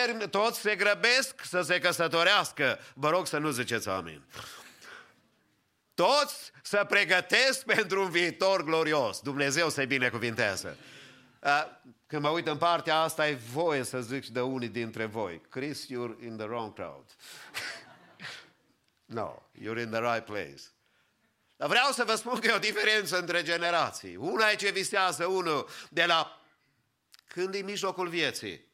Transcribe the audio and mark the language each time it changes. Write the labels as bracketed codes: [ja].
[ro] Toți se grăbesc să se căsătorească. Vă rog să nu ziceți amin. Toți să pregătesc pentru un viitor glorios. Dumnezeu să-i binecuvinteze. Când mă uit în partea asta, e voie să zic și de unii dintre voi. [en] Chris, you're in the wrong crowd. No, you're in the right place. [ro] Dar vreau să vă spun că e o diferență între generații. Una e ce visează unul de la când e mijlocul vieții.